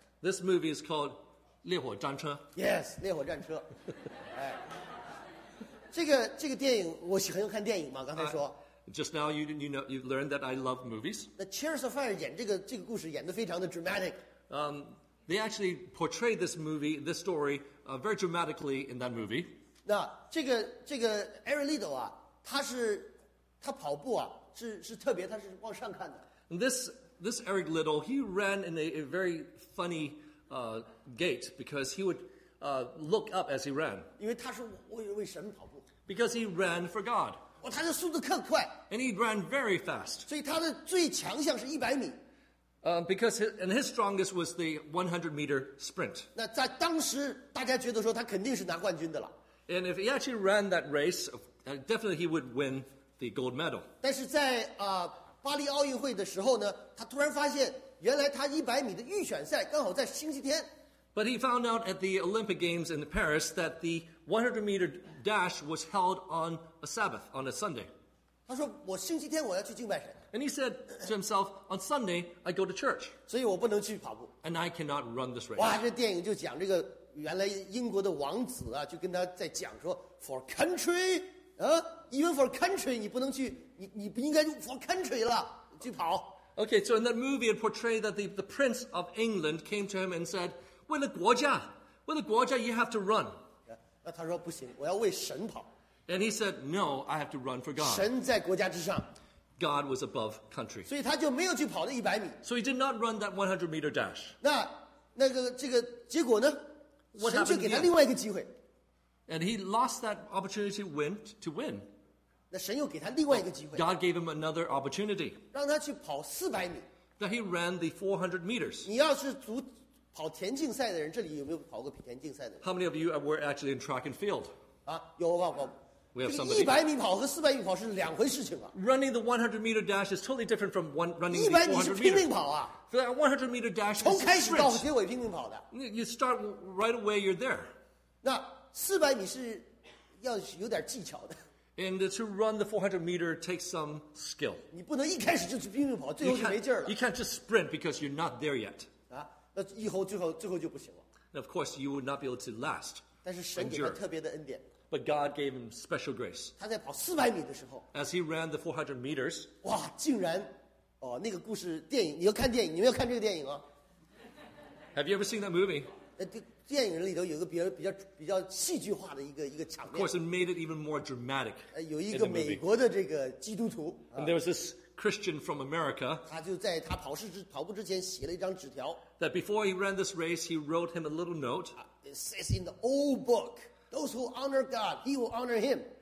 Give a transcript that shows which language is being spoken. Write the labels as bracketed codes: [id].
[en] This movie is called 烈火战车。 [zh] Yes, 烈火战车。这个电影我喜欢看电影嘛？刚才说。 [en] Just now you learned that I love movies. [zh] The Chariots of Fire 演这个故事演得非常的 dramatic. [en] They actually portrayed this movie, this story, very dramatically in that movie. [zh] 那这个 Aaron Lido 啊，他跑步啊，是特别，他是往上看的。 [en] And this Eric Little, he ran in a very funny gait because he would look up as he ran. [zh] 因为他是为神跑步。 [en] Because he ran for God. [zh] 哦，他的速度特快。 [en] And he ran very fast. [zh] 所以他的最强项是100米。 [en] Because his strongest was the 100 meter sprint. [zh] 那在当时大家觉得说他肯定是拿冠军的了。 [en] And if he actually ran that race, definitely he would win the gold medal. [zh] 但是在巴黎奥运会的时候呢，他突然发现原来他100米的预选赛刚好在星期天。 [en] But he found out at the Olympic Games in Paris that the 100 meter dash was held on a Sabbath, on a Sunday. [zh] 他说我星期天我要去敬拜神。 [en] And he said to himself, on Sunday, I go to church. [zh] 所以我不能去跑步。 [en] And I cannot run this race. [zh] 哇，这电影就讲这个原来英国的王子啊，就跟他在讲说 ， [en] For country, even for country, [zh] 你不能去，你不应该 for country 了，去跑。 [en] Okay, so in that movie, it portrayed that the prince of England came to him and said, [zh] 为了国家，为了国家 [en] ，you have to run. [zh] 那他说不行，我要为神跑。 [en] And he said, No, I have to run for God. [zh] 神在国家之上。 [en] God was above country. [zh] 所以他就没有去跑那100米。 [en] So he did not run that 100 meter dash. [zh] 那个这个结果呢？神却给他另外一个机会。 [en] And he lost that opportunity to win. [zh] 那神又给他另外一个机会。 [en] God gave him another opportunity. [zh] 让他去跑400米。 [en] That he ran the 400 meters. [zh] 你要是足跑田径赛的人，这里有没有跑过田径赛的人 [en] ？How many of you were actually in track and field? [zh] 啊，有啊，我。 [en] We have somebody. [zh] 100米跑和400米跑是两回事情啊。 [en] Running the 100 meter dash is totally different from running the 400 meter. [zh] 100米是拼命跑啊。 [en] For that 100 meter dash, [zh] 从开始到结尾拼命跑的。 [en] You start right away, you're there. [zh] 那400米是要有点技巧的。 [en] And to run the 400 meter takes some skill. [zh] 你不能一开始就去拼命跑，最后就没劲儿了。 [en] You can't just sprint because you're not there yet. [zh] 啊，那以后最后就不行了。 [en] And of course, you would not be able to last. [zh] 但是神给他特别的恩典。 [en] But God gave him special grace. [zh] 他在跑400米的时候 [en] ，as he ran the 400 meters. [zh] 哇，竟然，哦，那个故事电影，你要看电影，你们要看这个电影啊。 [en] Have you ever seen that movie? [zh] 电影里头有个比较戏剧化的一个场面。 [en] Of course, it made it even more dramatic. [zh] 有一个美国的这个基督徒。 [en] And there was this Christian from America. [zh] 他就在他跑步之前写了一张纸条。 [en] That before he ran this race, he wrote him a little note. It says in the old book. Those who honor God, He will honor him.